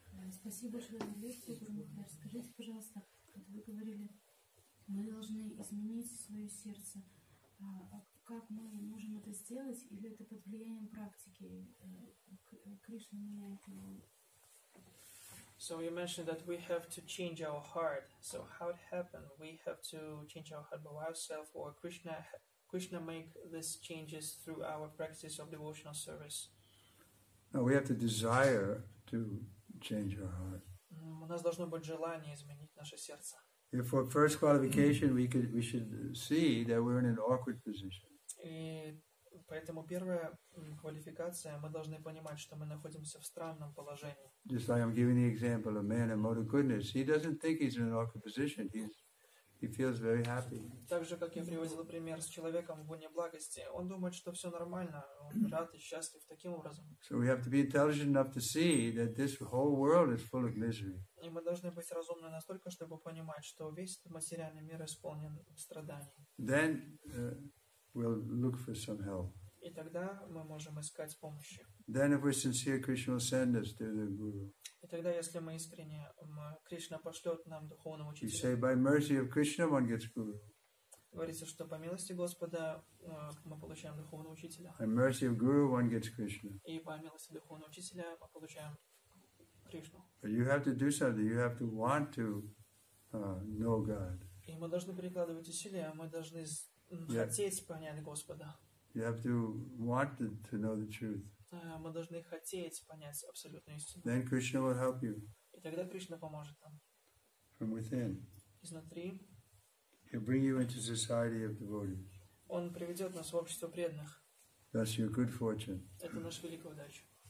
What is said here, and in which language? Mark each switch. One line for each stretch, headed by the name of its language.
Russian: Спасибо большое за лекцию, Гурмухар. Скажите, пожалуйста, когда вы говорили, мы должны изменить свое сердце. Как мы можем это сделать? Или это под влиянием практики? Кришна меняет его.
English: So you mentioned that we have to change our heart. So how it happened? We have to change our heart by ourselves, or Krishna make these changes through our practice of devotional service? No, we have to desire to change our heart.
Russian: У нас должно быть желание изменить наше сердце.
English: If for first qualification we should see that we're in an awkward position.
Russian: И поэтому первая квалификация, мы должны понимать, что мы находимся в странном положении.
English: Just like I'm giving the example of man and motor goodness, he doesn't think he's in an awkward position. He feels very happy.
Russian: Так же, как я приводил пример с человеком в гуне благости, он думает, что все нормально, он рад и счастлив таким образом.
English: So we have to be intelligent enough to see that this whole world is full of misery.
Russian: И мы должны быть разумны настолько, чтобы понимать, что весь этот материальный мир исполнен страданий.
English: Then we'll look for some help.
Russian: И тогда мы можем искать помощи.
English: Then if we're sincere, Krishna will send us to the guru.
Russian: И тогда, если мы искренне, Кришна пошлет нам духовного учителя.
English: You say, by mercy of Krishna, one gets guru.
Russian: Говорится, что по милости Господа мы получаем духовного учителя.
English: By mercy of guru, one gets Krishna.
Russian: И по милости духовного учителя мы получаем Кришну.
English: But you have to do something. You have to want to know God.
Russian: И мы должны прикладывать усилия, мы должны хотеть понять Господа.
English: You have to want to know the truth.
Russian: Мы должны хотеть понять абсолютную истину.
English: Then Krishna will help you.
Russian: И тогда Кришна поможет нам.
English: From within.
Russian: Изнутри.
English: He'll bring you into society of devotees.
Russian: Он приведет нас в общество преданных.
English: That's your good fortune.
Russian: Это наша великая удача.